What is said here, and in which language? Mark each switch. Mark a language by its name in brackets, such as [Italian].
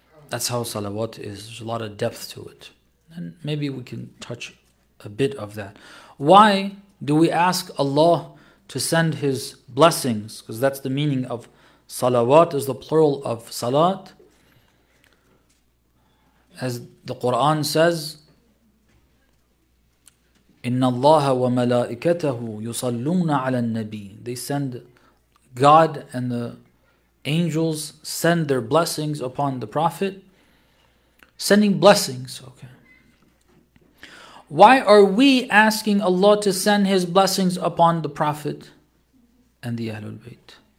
[English] That's how salawat is. There's a lot of depth to it. And maybe we can touch a bit of that. Why do we ask Allah to send His blessings? Because that's the meaning of salawat, is the plural of salat. As the Quran says, [Arabic] إِنَّ اللَّهَ وَمَلَائِكَتَهُ يُصَلُّونَ عَلَى النَّبِيِّ. [English] They send God and the angels send their blessings upon the Prophet. Sending blessings, okay. Why are we asking Allah to send His blessings upon the Prophet and the Ahlul Bayt?